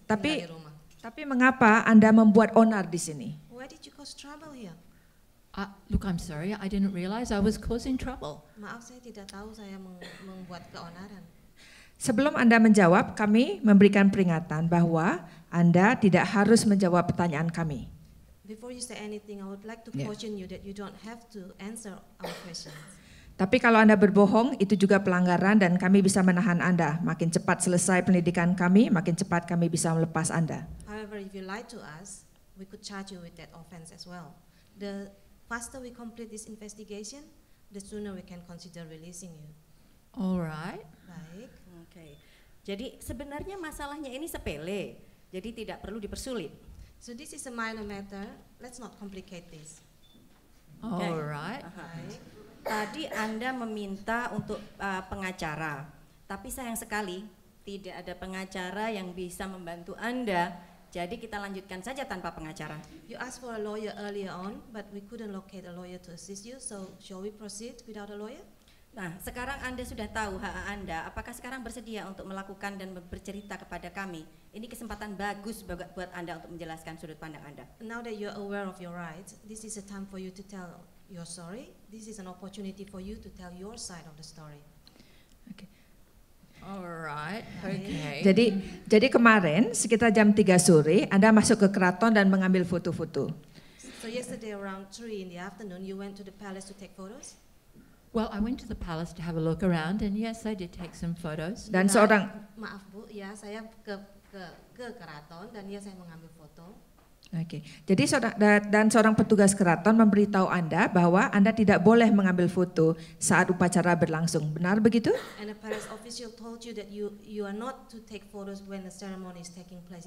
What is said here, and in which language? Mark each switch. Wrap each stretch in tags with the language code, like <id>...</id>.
<id>Tapi mengapa Anda membuat onar di sini?</id> <en>Why did you cause trouble here? Look, I'm sorry. I didn't realize I was causing trouble.</en> <id>Maaf, saya tidak tahu saya membuat keonaran. Sebelum Anda menjawab, kami memberikan peringatan bahwa Anda tidak harus menjawab pertanyaan kami.</id> <en>Before you say anything, I would like to caution you that you don't have to answer our questions.</en> <id>Tapi kalau Anda berbohong, itu juga pelanggaran dan kami bisa menahan Anda. Makin cepat selesai pendidikan kami, makin cepat kami bisa melepas Anda.</id> <en>However, if you lie to us, we could charge you with that offense as well. The faster we complete this investigation, the sooner we can consider releasing you. All right.</en> <id>Baik.</id> <en>Okay.</en> <id>Jadi sebenarnya masalahnya ini sepele, jadi tidak perlu dipersulit.</id> <en>So this is a minor matter. Let's not complicate this. Okay. All right.</en> <id>Tadi Anda meminta untuk pengacara, tapi sayang sekali tidak ada pengacara yang bisa membantu Anda. Jadi kita lanjutkan saja tanpa pengacara.</id> <en>You asked for a lawyer earlier on, but we couldn't locate a lawyer to assist you. So shall we proceed without a lawyer?</en> <id>Nah, sekarang Anda sudah tahu hak Anda. Apakah sekarang bersedia untuk melakukan dan bercerita kepada kami? Ini kesempatan bagus buat Anda untuk menjelaskan sudut pandang Anda.</id> <en>Now that you're aware of your rights, this is a time for you to tell your story. This is an opportunity for you to tell your side of the story. Okay. Alright. Okay.</en> <id>Jadi kemarin sekitar jam 3 sore, Anda masuk ke keraton dan mengambil foto-foto.</id> <en>So yesterday around 3 in the afternoon, you went to the palace to take photos? Well, I went to the palace to have a look around, and yes, I did take some photos.</en> <id>Dan seorang. Maaf bu, ya saya ke keraton dan ya saya mengambil foto.</id> <en>Okay.</en> <id>Jadi seorang petugas keraton memberitahu Anda bahwa Anda tidak boleh mengambil foto saat upacara berlangsung. Benar begitu?</id> <en>And a palace official told you that you are not to take photos when the ceremony is taking place.</en>